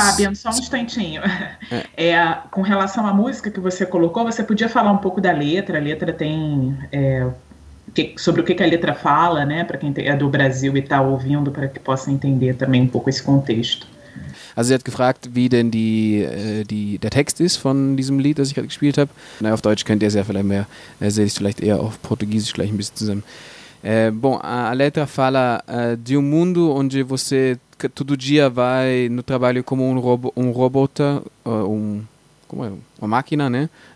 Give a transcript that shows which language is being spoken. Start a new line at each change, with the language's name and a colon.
Portuguese: Fabian, só um instantinho. Com relação à música que você colocou, você podia falar um pouco da letra? A letra tem... sobre o que a letra fala, né? Para quem é do Brasil e está ouvindo, para que possa entender também um pouco esse contexto.
German: Also, sie hat gefragt, wie denn der Text ist von diesem Lied, das ich gerade gespielt habe. Na, auf Deutsch könnt ihr es ja vielleicht mehr, sehe ich vielleicht eher auf Portugiesisch gleich ein bisschen zusammen.
Portuguese: A letra fala de mundo onde você todo dia vai no trabalho como uma máquina, né?